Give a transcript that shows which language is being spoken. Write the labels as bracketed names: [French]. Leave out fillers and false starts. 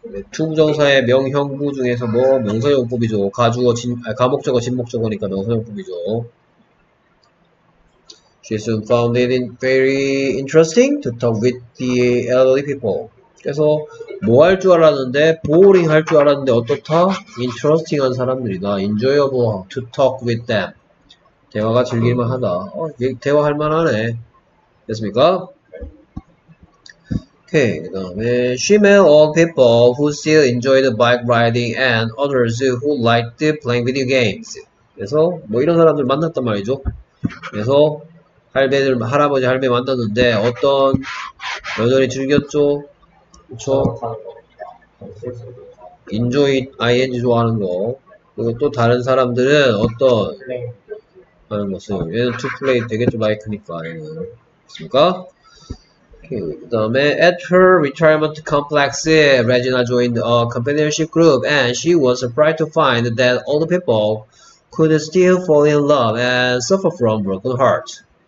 [Korean] 투부정사의 명형부 중에서 뭐 명사용법이죠. 가주어 진 아니, 가목적어 진목적어니까 명사용법이죠. [English] She soon found it very interesting to talk with the elderly people. [Korean] 그래서 뭐할줄 알았는데 boring 할줄 알았는데 어떻다? [English] interesting한 [Korean] 사람들이다. [English] enjoyable to talk with them. [Korean] 대화가 즐길만 하다. 대화할 만하네. 됐습니까? 오케이. 그다음에 [English] she met all people who still enjoyed bike riding and others who liked playing video games. [Korean] 그래서 뭐 이런 사람들 만났단 말이죠. 그래서 할배들 할아버지 할배 만났는데 어떤 여전히 즐겼죠. 그쵸? enjoy ing 좋아하는 거. 그리고 또 다른 사람들은 어떤 하는 것은 얘는 [English] to play [Korean] 되겠죠. 마이크니까 그렇습니까? 그 다음에 [English] at her retirement complex, Regina joined a companionship group and she was surprised to find that all the people could still fall in love and suffer from broken heart.